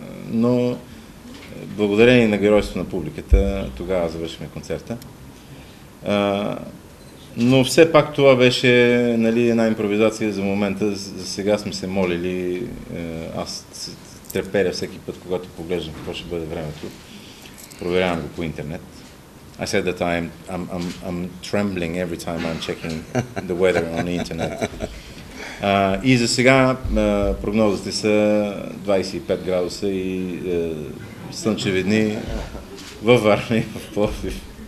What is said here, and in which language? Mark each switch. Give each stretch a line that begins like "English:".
Bulgarian: Но благодарение на геройство на публиката, тогава завършихме концерта. Но все пак това беше, нали, една импровизация за момента. За сега сме се молили. Аз треперя всеки път, когато поглеждам какво ще бъде времето. Проверявам го по интернет.
English: I said that I'm trembling every time I'm checking the weather on the internet.
Bulgarian: И за сега прогнозите са 25 градуса и слънчеви дни във Варна и в Пловдив.